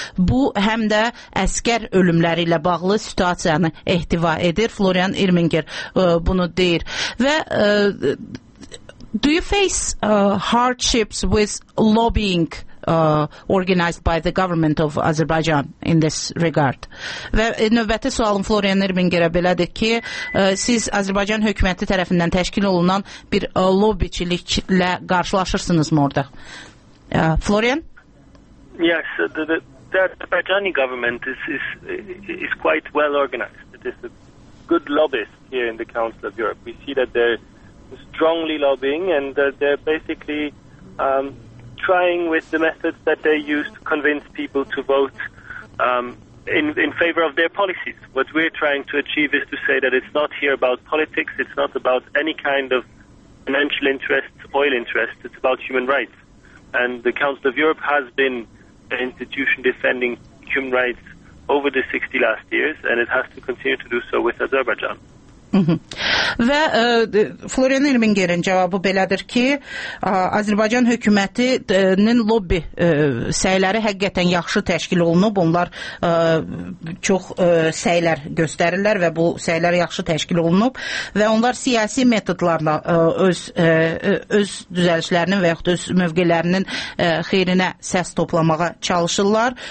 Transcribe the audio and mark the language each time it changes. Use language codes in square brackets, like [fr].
[az] Bu, həm də əsgər ölümləri ilə bağlı situasiyanı ehtiva edir. Florian İrminger bunu deyir. Və [en] do you face hardships with lobbying organized by the government of Azerbaijan in this regard? [az] Və növbəti sualım Florian İrmingerə belədir ki, siz Azərbaycan hökuməti tərəfindən təşkil olunan bir lobbyçiliklə qarşılaşırsınızmı orada? Florian? [en] Yes, the Azerbaijani government is quite well organized. It is a good lobbyist here in the Council of Europe. We see that they're strongly lobbying and they're basically trying with the methods that they use to convince people to vote in favor of their policies. What we're trying to achieve is to say that it's not here about politics, it's not about any kind of financial interests, oil interests, it's about human rights. And the Council of Europe has been an institution defending human rights over the 60 last years, and it has to continue to do so with Azerbaijan. [az] Və Florian İrmingerin cavabı belədir ki, Azərbaycan hökumətinin lobby səyləri həqiqətən yaxşı təşkil olunub. Onlar çox səylər göstərirlər və bu səylər yaxşı təşkil olunub və onlar siyasi metodlarla öz düzəlişlərinin və yaxud öz mövqelərinin xeyrinə səs toplamağa çalışırlar.